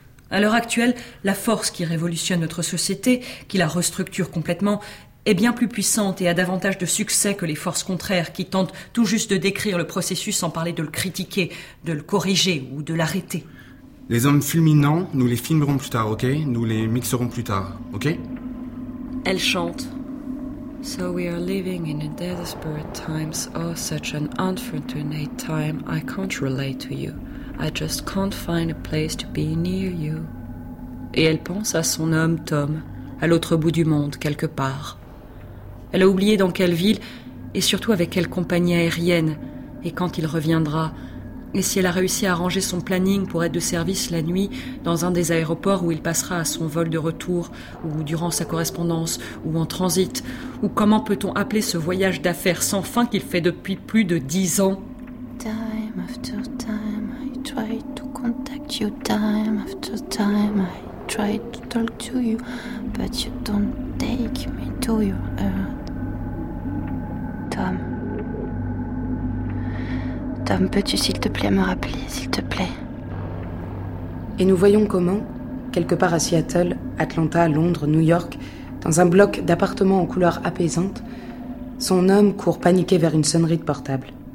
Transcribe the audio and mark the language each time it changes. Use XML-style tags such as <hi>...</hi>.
<fr>À l'heure actuelle, la force qui révolutionne notre société, qui la restructure complètement, est bien plus puissante et a davantage de succès que les forces contraires qui tentent tout juste de décrire le processus sans parler de le critiquer, de le corriger ou de l'arrêter. Les hommes fulminants, nous les filmerons plus tard, ok? Nous les mixerons plus tard, ok? Elle chante.</fr> <en>So we are living in a desperate times. Oh, such an unfortunate time. I can't relate to you. I just can't find a place to be near you.</en> <fr>Et elle pense à son homme, Tom, à l'autre bout du monde, quelque part. Elle a oublié dans quelle ville et surtout avec quelle compagnie aérienne et quand il reviendra. Et si elle a réussi à arranger son planning pour être de service la nuit dans un des aéroports où il passera à son vol de retour ou durant sa correspondance ou en transit. Ou comment peut-on appeler ce voyage d'affaires sans fin qu'il fait depuis plus de 10 ans?</fr> <en>Time after time, I try to contact you. Time after time, I try to talk to you, but you don't take me to your heart.</en> <fr>Tom. Tom, peux-tu s'il te plaît me rappeler, s'il te plaît? Et nous voyons comment, quelque part à Seattle, Atlanta, Londres, New York, dans un bloc d'appartements en couleurs apaisantes, son homme court paniqué vers une sonnerie de portable.</fr>